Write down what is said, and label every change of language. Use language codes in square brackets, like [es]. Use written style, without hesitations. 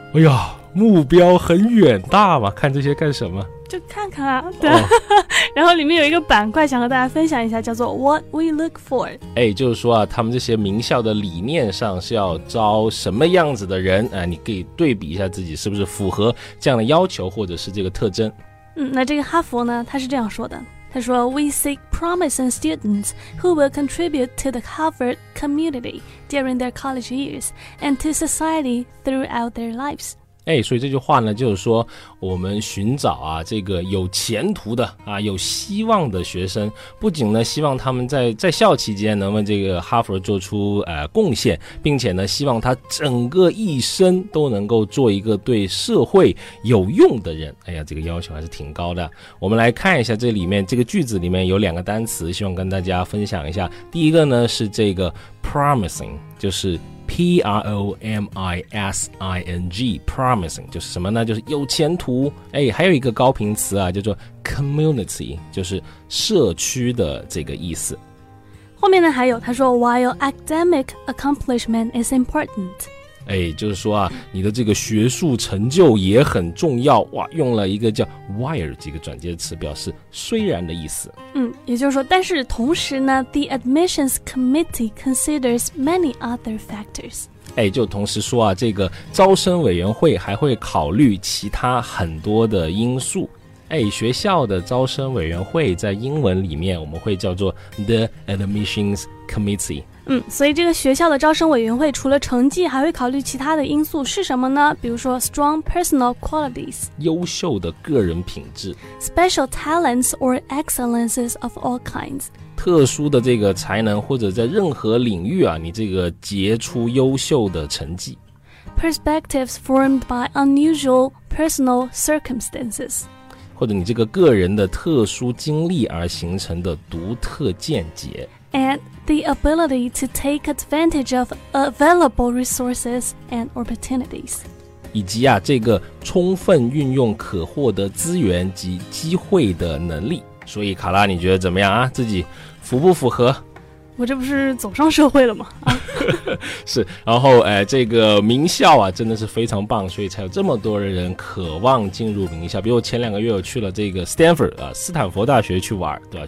[zh] 哎呀，目标很远大嘛，看这些干什么？就看看啊，对。然后里面有一个板块想和大家分享一下，叫做 [en] What we look for。 [zh] 哎，就是说啊，他们这些名校的理念上是要招什么样子的人，哎，你可以对比一下自己是不是符合这样的要求或者是这个特征。那这个哈佛呢，他是这样说的，他说 [en] We seek promising students who will contribute to the Harvard community during their college years and to society throughout their lives。 [zh] 哎，所以这句话呢就是说，我们寻找啊这个有前途的啊有希望的学生，不仅呢希望他们在校期间能为这个哈佛做出贡献，并且呢希望他整个一生都能够做一个对社会有用的人。哎呀，这个要求还是挺高的。我们来看一下这里面这个句子里面有两个单词，希望跟大家分享一下。第一个呢是这个 promising， 就是P-R-O-M-I-S-I-N-G Promising， 就是什么呢？就是有前途。哎，还有一个高频词啊，叫做 Community， 就是社区的这个意思。后面呢还有他说 [en] While academic accomplishment is important。 [zh] 哎，就是说啊，你的这个学术成就也很重要。哇，用了一个叫 while 这个转接词，表示虽然的意思。也就是说，但是同时呢 [en] The admissions committee considers many other factors。 [zh] 哎，就同时说啊，这个招生委员会还会考虑其他很多的因素。哎，学校的招生委员会在英文里面我们会叫做 The Admissions Committee。所以这个学校的招生委员会除了成绩还会考虑其他的因素，是什么呢？ [en] 比如说 Strong Personal Qualities， [zh] 优秀的个人品质， [en] Special Talents or Excellences of All Kinds， [zh] 特殊的这个才能或者在任何领域啊你这个杰出优秀的成绩， [en] Perspectives formed by unusual personal circumstances， [zh] 或者你这个个人的特殊经历而形成的独特见解， [en] and the ability to take advantage of available resources and opportunities， [zh] 以及啊这个充分运用可获得资源及机会的能力。所以卡拉，你觉得怎么样啊？自己符不符合？我这不是走上社会了吗？是，然后这个名校啊真的是非常棒，所以才有这么多人渴望进入名校。比如前两个月我去了这个 Stanford 啊，斯坦福大学去玩，对吧？